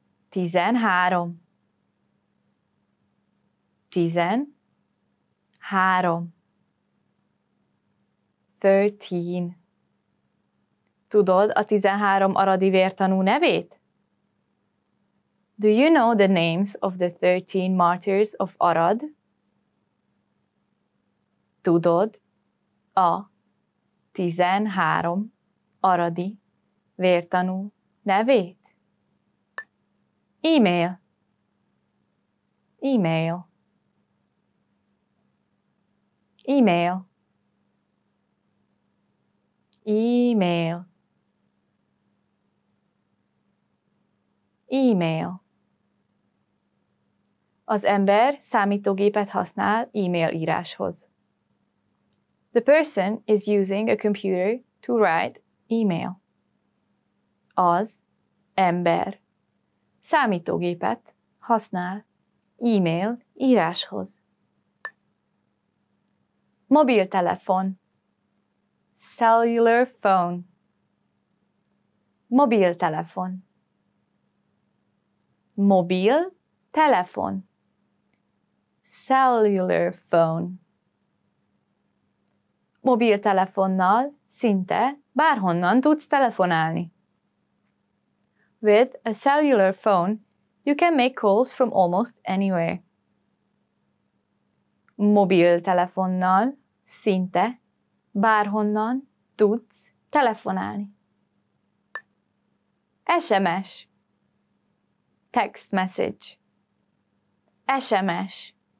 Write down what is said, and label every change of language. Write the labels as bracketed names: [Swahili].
[Hungarian] 13. 13. 13. Tudod a 13 aradi vértanú nevét? [English] Do you know the names of the 13 martyrs of Arad? [Hungarian] Tudod a 13 aradi vértanú nevét? E-mail. E-mail. E-mail. E-mail. E-mail. Az ember számítógépet használ e-mail íráshoz. [English] The person is using a computer to write e-mail. [Hungarian] Az ember számítógépet használ e-mail íráshoz. Mobiltelefon. [English] Cellular phone. [Hungarian] Mobiltelefon. Mobil telefon. [English] Cellular phone. [Hungarian] Mobiltelefonnal szinte bárhonnan tudsz telefonálni. [English] With a cellular phone, you can make calls from almost anywhere. [Hungarian] Mobiltelefonnal szinte bárhonnan tudsz telefonálni. SMS. [English] Text message. [Hungarian] SMS.